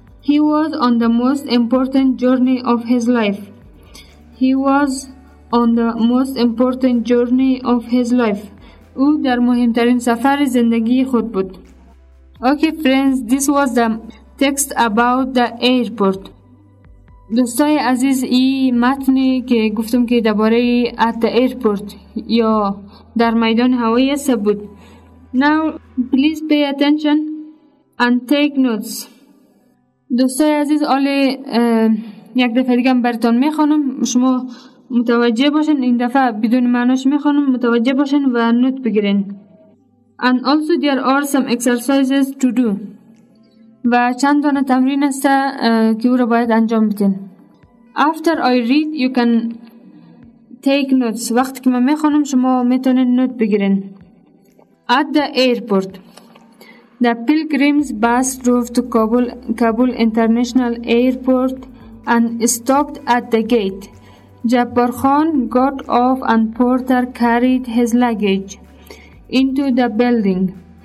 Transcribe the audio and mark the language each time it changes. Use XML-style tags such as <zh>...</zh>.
<en>He was on the most important journey of his life. He was on the most important journey of his life.</en> <fa>او در مهمترین سفر زندگی خود بود.</fa> <en>Okay friends, this was the text about the airport.</en> <fa>دوستای عزیز، این متنی که گفتم که درباره</fa> <en>at the airport</en> <fa>یا در میدان هوایی است بود.</fa> <en>Now please pay attention and take notes.</en> <fa>دوستای عزیز، آلی یک دفعه دیگه براتون میخونم، شما متوجه باشین. این دفعه بدون معناش میخونم، متوجه باشین و نوت بگیرین.</fa> <en>And also there are some exercises to do.</en> <fa>و چند تا تمرین است که او رو باید انجام بدین.</fa> <en>After I read, you can take notes.</en> <fa>وقتی که من میخونم شما میتونین نوت بگیرین.</fa> <en>At the airport, the pilgrims bus drove to Kabul International Airport and stopped at the gate. Jabbar Khan got off and porter carried his luggage into the building.</en>